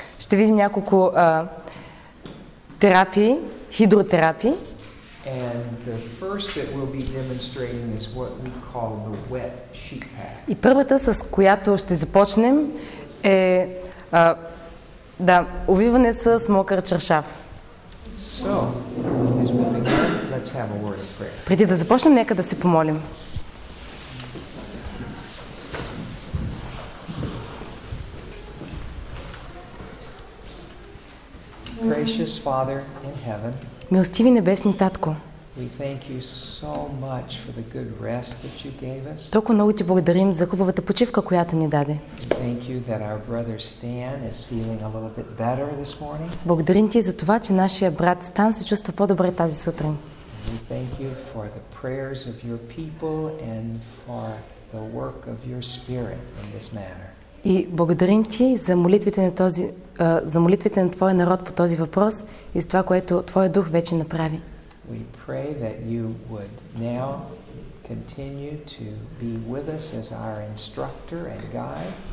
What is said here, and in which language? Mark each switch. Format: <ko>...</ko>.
<bg>Ще видим няколко терапии, хидротерапии.</bg> <en>And the first that we'll be demonstrating is what we call the wet sheet pad.</en> <bg>И първата, с която ще започнем, е да, увиване с мокър чершав.</bg> <en>So, as we begin, let's have a word of prayer.</en> <bg>Преди да започнем, нека да се помолим.</bg> <en>Gracious Father in heaven.</en> <bg>Милостиви небесни Татко.</bg> <en>We thank you so much for the good rest that you gave us.</en> <bg>Толкова много ти благодарим за хубавата почивка, която ни даде.</bg> <en>Thank you that our brother Stan is feeling a little bit better this morning.</en> <bg>Благодарим ти за това, че нашия брат Стан се чувства по-добре тази сутрин.</bg> <en>We thank you for the prayers of your people and for the work of your spirit in this matter.</en> <bg>И благодарим ти за молитвите на този за молитвите на твоя народ по този въпрос и за това, което твоя дух вече направи.</bg> <en>We pray that you would now continue to be with us as our instructor and guide.</en>